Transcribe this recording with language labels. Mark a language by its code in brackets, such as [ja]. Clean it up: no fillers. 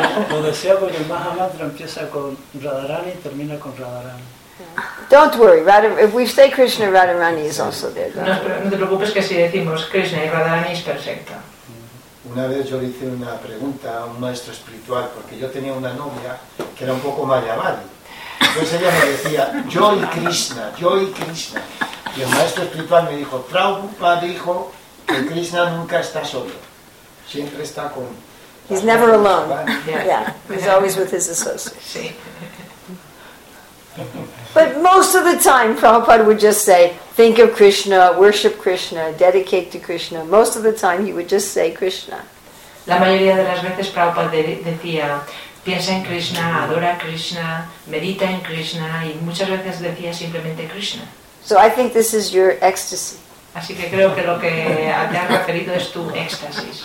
[es] Lo decía porque el Mahamantra empieza con Radharani y termina con Radharani. [en] Don't worry, if we say Krishna, Radharani is also there. [es] No te preocupes que si decimos Krishna y Radharani es perfecto. Una vez yo le hice una pregunta a un maestro espiritual, porque yo tenía una novia que era un poco mayavadi. Entonces ella me decía, yo y Krishna. Y el maestro espiritual me dijo, Prabhupada dijo que Krishna nunca está solo. Siempre está con... [en] He's never alone. Yeah, he's always with his associates. But most of the time, Prabhupada would just say, think of Krishna, worship Krishna, dedicate to Krishna. Most of the time, he would just say Krishna. [es] La mayoría de las veces, Prabhupada decía, piensa en Krishna, adora Krishna, medita en Krishna, y muchas veces decía simplemente Krishna. [en] So I think this is your ecstasy. [es] Así que creo que lo que te has referido es tu éxtasis.